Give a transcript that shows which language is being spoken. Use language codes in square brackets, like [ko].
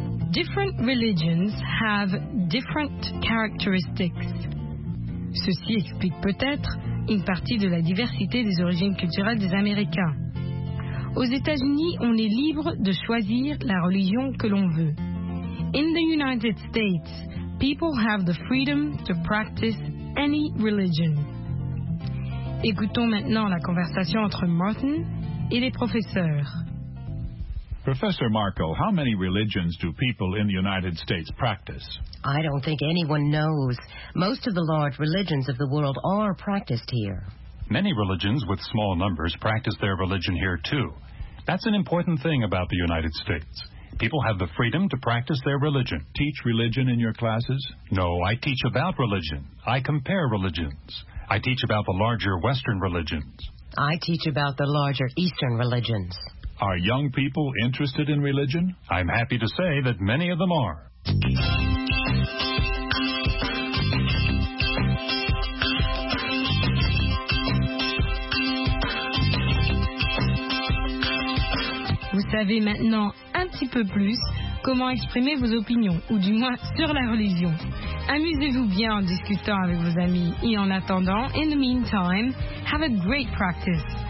[en] Different religions have different characteristics. [fr] Ceci explique peut-être une partie de la diversité des origines culturelles des Américains. Aux États-Unis, on est libre de choisir la religion que l'on veut. [en] In the United States, people have the freedom to practice any religion. [fr] Écoutons maintenant la conversation entre Martin et les professeurs. [en] Professor Markle, how many religions do people in the United States practice? I don't think anyone knows. Most of the large religions of the world are practiced here. Many religions with small numbers practice their religion here too. That's an important thing about the United States. People have the freedom to practice their religion. Teach religion in your classes? No, I teach about religion. I compare religions. I teach about the larger Western religions. I teach about the larger Eastern religions. Are young people interested in religion? I'm happy to say that many of them are. [fr] Vous savez maintenant un petit peu plus comment exprimer vos opinions, ou du moins sur la religion. Amusez-vous bien en discutant avec vos amis. Et en attendant, [en] in the meantime, have a great practice.